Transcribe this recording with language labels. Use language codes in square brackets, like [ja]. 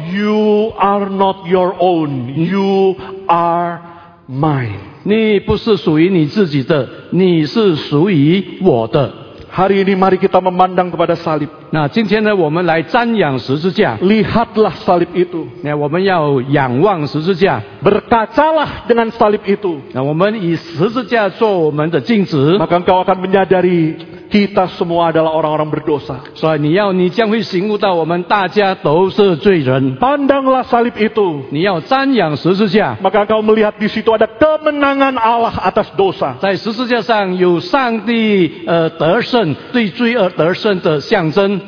[en] You are not your own. You are mine. [zh] 你不是属于你自己的，你是属于我的。 [id] Hari ini mari kita memandang kepada salib. [zh] Nah, 今天呢, 我们来瞻仰十字架. [id] Lihatlah salib itu. [zh] Nah, 我们要仰望十字架. [id] Berkacalah dengan salib itu. [zh] Nah, 我们以十字架做我们的镜子. [id] Maka engkau akan menyadari kita semua adalah orang-orang berdosa. [en] So, [zh] 你将会醒悟到 我们大家都是罪人. [id] Pandanglah salib itu. [zh] 你要瞻仰十字架. [id] Maka engkau melihat di situ ada kemenangan Allah atas dosa. [zh] 在十字架上有上帝 对罪而得胜的象征.